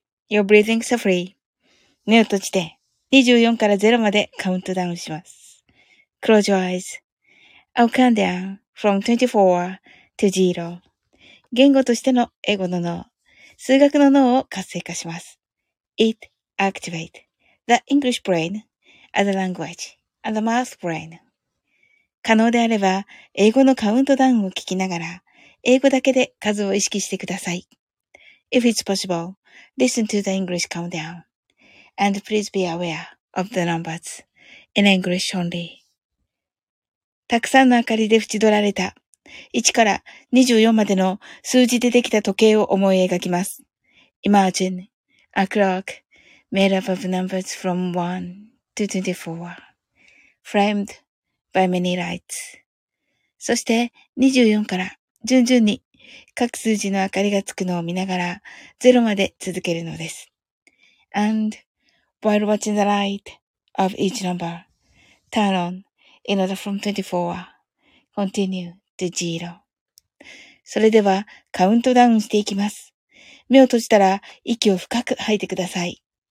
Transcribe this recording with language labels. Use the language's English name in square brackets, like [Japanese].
[English] You're breathing so free. [Japanese] 目を閉じて24から0までカウントダウンします。 [English] Close your eyes. I'll count down from 24 to 0. [Japanese] 言語としての英語の脳、数学の脳を活性化します。 [English] It activates the English brain as a language. [Japanese] アドマースブレイン。可能であれば、英語のカウントダウンを聞きながら、英語だけで数を意識してください。 [English] If it's possible, listen to the English countdown. And please be aware of the numbers in English only. [Japanese] たくさんの明かりで縁取られた、1から24までの数字でできた時計を思い描きます。 [English] Imagine a clock made up of numbers from 1 to 24. Framed by many lights. [Japanese] そして24から順々に各数字の明かりがつくのを見ながら0まで続けるのです。 [English] And while watching the light of each number, turn on in order from 24, continue to 0. [Japanese] それではカウントダウンしていきます。目を閉じたら息を深く吐いてください。